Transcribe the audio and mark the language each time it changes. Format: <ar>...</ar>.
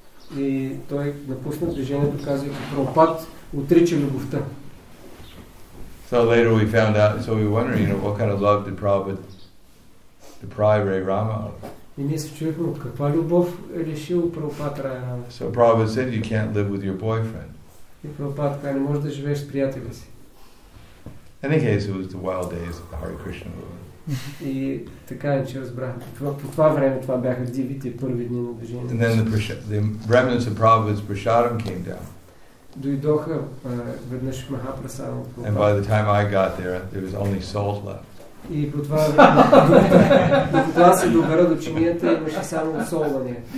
<en>So later we found out, so we were wondering, you know, what kind of love did Prabhupada deprive Ray Rama of? So Prabhupada said, you can't live with your boyfriend. In any case, it was the wild days of the Hare Krishna movement.</en> <bg>И така е, че разбрах. По това време това бяха дивите първи дни на движението.</bg> <en>And then the remnants of Prabhupada's prasadam came down.</en> <bg>Дойдоха веднъж Махапрасадам от Прабхупада.</bg> <en>And by the time I got there, there was only salt left.</en> <bg>И по това време, докато аз се добера до чинията, имаше само солване.</bg>